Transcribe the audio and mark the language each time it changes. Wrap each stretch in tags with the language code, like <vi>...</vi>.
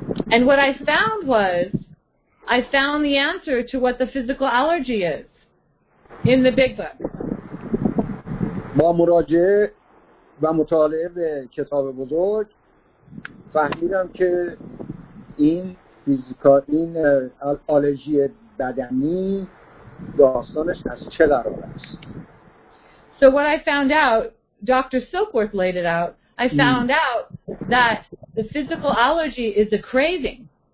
<en>And what I found was, I found the answer to what the physical allergy is in the Big Book.</en> <fa>با مراجعه و مطالعه به کتاب بزرگ فهمیدم که این فیزیکال، این آلرژی بدنی داستانش از چه قرار است.</fa> <en>So what I found out, Dr. Silkworth laid it out, I found out that the physical allergy is a craving.</en>